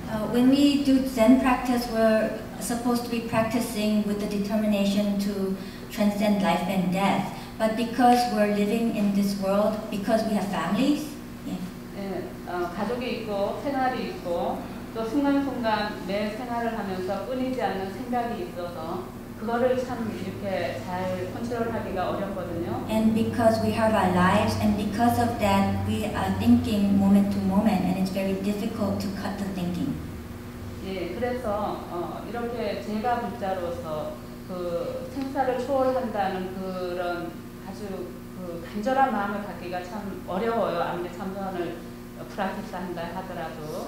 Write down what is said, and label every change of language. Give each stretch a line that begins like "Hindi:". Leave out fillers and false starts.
English: When we do Zen practice, we're supposed to be practicing with the determination to transcend life and death. But because we're living in this world, because we have families, yeah.
Korean: 예, 가족이 있고 생활이 있고 또 순간순간 매 생활을 하면서 끊이지 않는 생각이 있어서 그거를 참 이렇게 잘 컨트롤하기가 어렵거든요.
English: And because we have our lives, and because of that, we are thinking moment to moment, and it's very difficult to cut the thinking.
Korean: 예, 그래서 이렇게 제가 불자로서 그 생사를 초월한다는 그런 아주 그 간절한 마음을 갖기가 참 어려워요. 아무리 참선을 프라틱스한다 하더라도.